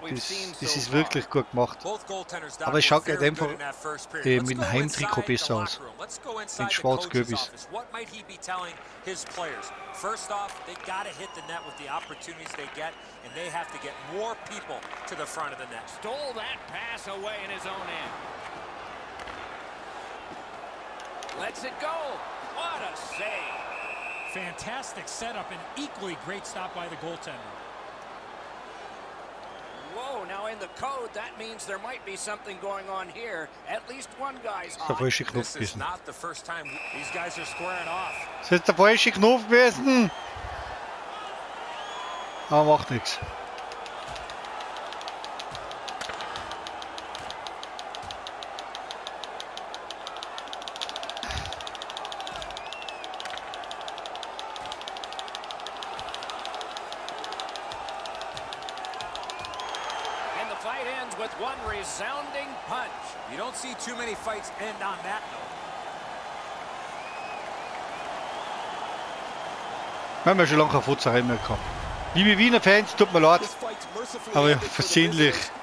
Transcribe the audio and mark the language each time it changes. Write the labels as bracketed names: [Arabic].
[German] Das ist wirklich gut gemacht. Aber es schaut halt einfach mit dem Heimtrikot besser aus, wenn es schwarz-gelb ist. [English] His players. First off, they got to hit the net with the opportunities they get, and they have to get more people to the front of the net. Stole that pass away in his own end. Let's it go. What a save. Fantastic setup and equally great stop by the goaltender. Whoa, now in the code, that means there might be something going on here. At least one guy's off. This is not the first time these guys are squaring off. [German] Das ist der falsche Knopf gewesen. Aber macht nichts. [English] And the fight ends with one resounding punch. You don't see too many fights end on that note. [German] Wir haben ja schon lange keine Futzerei mehr gehabt. Liebe Wiener Fans, tut mir leid, aber ja, versehentlich.